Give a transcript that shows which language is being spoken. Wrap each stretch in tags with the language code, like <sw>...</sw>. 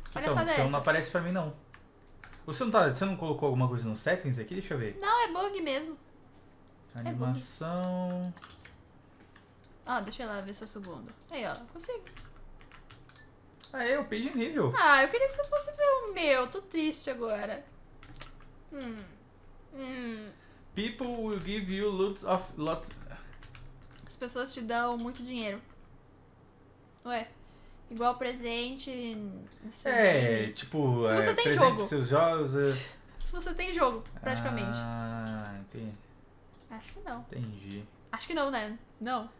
<pt>Então, o seu não aparece pra mim, não. Você não colocou alguma coisa no settings aqui? Deixa eu ver. Não, é bug mesmo. Animação. Ó, deixa eu ir lá ver se é o segundo. Aí, ó, consigo. Ah, é, eu pedi nível. Ah, eu queria que você fosse ver o meu. Tô triste agora.</pt> <en>People will give you lots.</en> <pt>As pessoas te dão muito dinheiro. Ué. Igual presente. É, tipo. Se você tem presente jogo. Seus jogos. É... Se você tem jogo, praticamente. Ah, entendi. Acho que não. Entendi. Acho que não, né? Não.</pt>